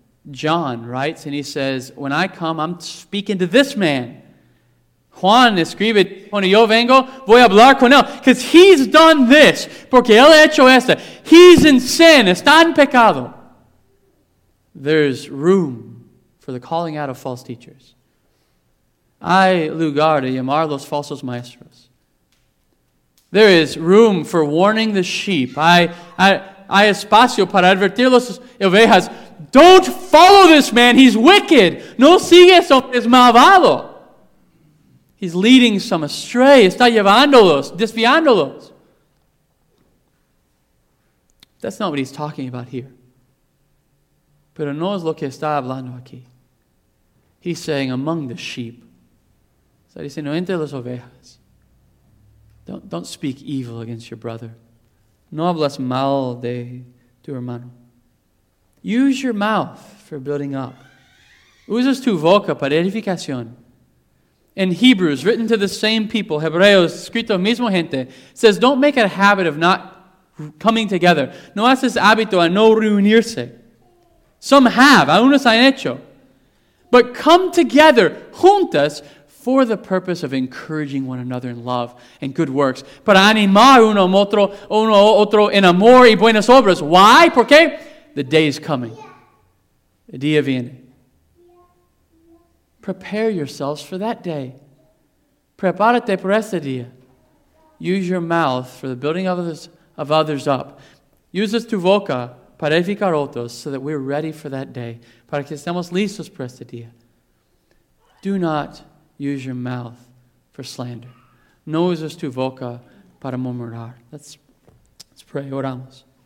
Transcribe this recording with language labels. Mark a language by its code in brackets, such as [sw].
[en] John writes and he says, when I come, I'm speaking to this man. [es] Juan escribe, cuando yo vengo, voy a hablar con él. [en] Because he's done this. [es] Porque él ha hecho esto. [en] He's in sin. [es] Está en pecado. [en] There's room for the calling out of false teachers. [es] Hay lugar de llamar los falsos maestros. [en] There is room for warning the sheep. [es] Hay espacio para advertir las ovejas. [en] Don't follow this man. He's wicked. [es] No sigues, es malvado. [en] He's leading some astray. [es] Está llevándolos, desviándolos. [en] That's not what he's talking about here. [es] Pero no es lo que está hablando aquí. [en] He's saying among the sheep. [es] Está diciendo entre las ovejas. [en] Don't speak evil against your brother. [es] No hablas mal de tu hermano. [en] Use your mouth for building up. [es] Usas tu boca para edificación. [en] In Hebrews, written to the same people, [es] Hebreos, escrito al mismo gente, [en] says, don't make a habit of not coming together. [es] No haces hábito a no reunirse. [en] Some have, [es] algunos han hecho. [en] But come together, juntas, for the purpose of encouraging one another in love and good works. [es] Para animar uno otro en amor y buenas obras. [en] Why? [es] ¿Por qué? [en] The day is coming. The día viene. Prepare yourselves for that day. [es] Prepárate por ese día. [en] Use your mouth for the building of others up. [es] Use tu boca para edificar otros [en] so that we're ready for that day. [es] Para que estemos listos por ese día. [en] Do not use your mouth for slander. [es] No uses tu boca para murmurar. [en] Let's pray. [es] Oramos.